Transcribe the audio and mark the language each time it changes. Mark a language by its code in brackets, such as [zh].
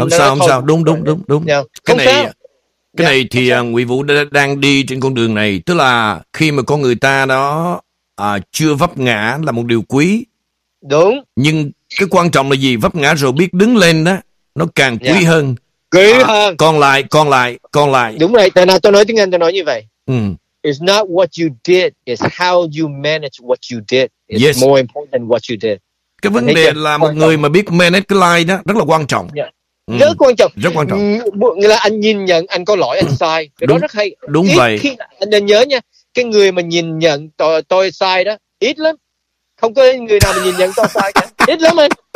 [vi] không nói sao, không sao, đúng. Cái này thì Nguyễn Vũ đang đi trên con đường này, tức là khi mà con người ta đó chưa vấp ngã là một điều quý. Đúng. Nhưng cái quan trọng là gì? Vấp ngã rồi biết đứng lên đó, nó càng quý hơn. Quý hơn. Còn lại. Đúng rồi, tại nào tôi nói tiếng Anh tôi nói như vậy. [en] It's not what you did, it's how you manage what you did. It's more important than what you did. [vi] Cái vấn đề là một người mà biết manage cái line đó rất là quan trọng. Rất quan trọng. Nghĩa là anh nhìn nhận anh có lỗi, anh sai. Cái đúng, đó rất hay. Đúng vậy. Anh nên nhớ nha. Cái người mà nhìn nhận tôi sai đó ít lắm, không có người nào mà nhìn nhận tôi sai cả. Ít lắm anh.